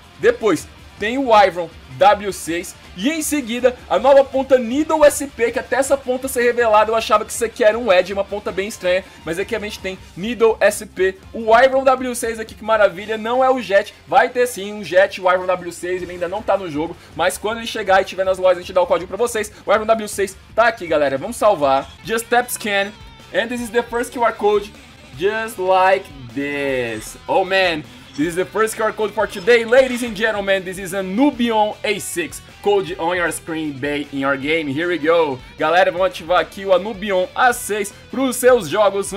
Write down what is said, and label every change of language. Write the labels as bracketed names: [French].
[Portuguese] Depois tem o Wyvern W6. E em seguida, a nova ponta Needle SP, que até essa ponta ser revelada eu achava que isso aqui era um Edge, uma ponta bem estranha. Mas aqui a gente tem Needle SP, o Wyvern W6 aqui, que maravilha, não é o Jet. Vai ter sim um Jet Wyvern W6, ele ainda não tá no jogo. Mas quando ele chegar e tiver nas lojas, a gente dá o código pra vocês. O Wyvern W6 tá aqui, galera, vamos salvar. [English] Just tap scan, and this is the first QR code, just like this. Oh man, this is the first QR code for today, ladies and gentlemen. This is a Nubion A6. Code on your screen, bay in your game. Here we go. [Portuguese] Galera, vamos ativar aqui o Anubion A6 para os seus jogos.